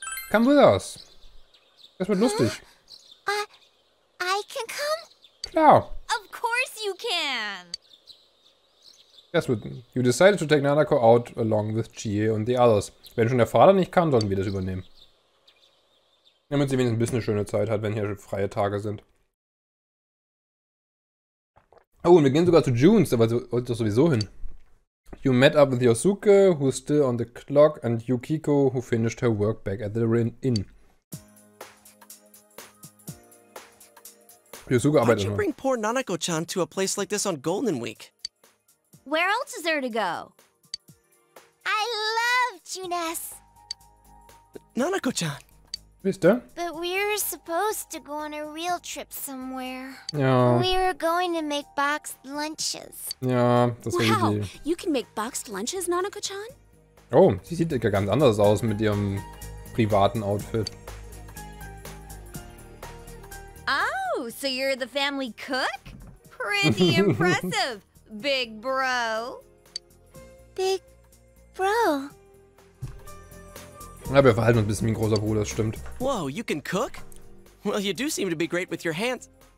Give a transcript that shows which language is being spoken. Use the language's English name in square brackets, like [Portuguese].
[English] Come with us. [German] Das wird lustig. [English] I can come? [German] Klar. [English] Of course you can. Yes, you decided to take Nanako out along with Chie and the others. [German] Wenn schon der Vater nicht kann, sollten wir das übernehmen. Damit sie wenigstens ein bisschen schöne Zeit hat, wenn hier freie Tage sind. Oh, und wir gehen sogar zu Junes, aber sie wollte doch sowieso hin. [English] You met up with Yosuke, who's still on the clock, and Yukiko, who finished her work back at the inn. [German] Yosuke arbeitet noch. [English] Why don't you bring poor Nanako-chan to a place like this on Golden Week? Where else is there to go? I love Junes. Nanako-chan. [German] Wisst ihr? [English] But we're supposed to go on a real trip somewhere. [German] Ja. [English] We're going to make boxed lunches. [German] Ja, das [English] wow. [German] ist die. [English] You can make boxed lunches, Nanako-chan? [German] Oh, sie sieht ja ganz anders aus mit ihrem privaten Outfit. [English] Oh, so you're the family cook? Pretty impressive. Big bro. Big bro. [German] Ja, wir verhalten uns ein bisschen wie ein großer Bruder, das stimmt. [English] Whoa, you can cook? Well, you do seem to be great with your hands.